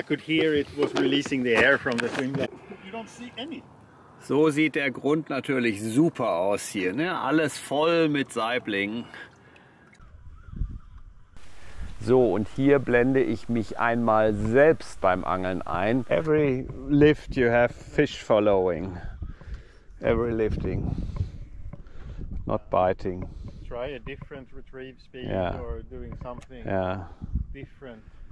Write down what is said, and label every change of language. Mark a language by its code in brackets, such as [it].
[en] I could hear it was releasing the air from the swing. You don't see any. [de] So sieht der Grund natürlich super aus hier, ne? Alles voll mit Saiblingen. So, und hier blende ich mich einmal selbst beim Angeln ein. [en] Every lift you have fish following. Every lifting. Not biting. Try a different retrieve speed, yeah, or doing something, yeah, different.